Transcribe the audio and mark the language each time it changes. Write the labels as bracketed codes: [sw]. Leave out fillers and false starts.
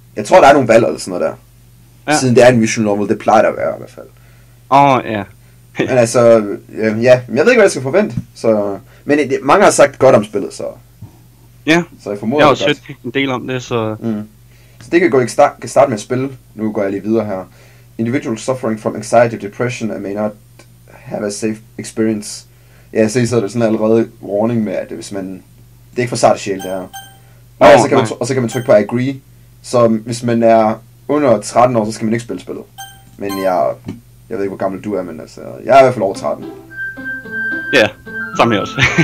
[da] Jeg tror, der er nogle valg eller sådan noget der. Ja. Siden det er en visual novel, det plejer der at være i hvert fald. Åh, ja. Men altså, ja, jeg ved ikke, hvad jeg skal forvente. Så, men mange har sagt godt om spillet, så... Ja, så jeg formoder, jeg har også en del om det, så... Mm. Så det kan gå ikke starte med at spille. Nu går jeg lige videre her. [en] Individual suffering from anxiety or depression and may not have a safe experience. [da] Ja, jeg ser, så er det sådan allerede warning med, at hvis man... Det er ikke for sart sjæl, det her. Og så kan man trykke på agree. Så hvis man er... Under 13 år, så skal man ikke spille spillet. Men jeg ved ikke, hvor gammel du er, men altså, jeg er i hvert fald over 13. Ja, samme her også.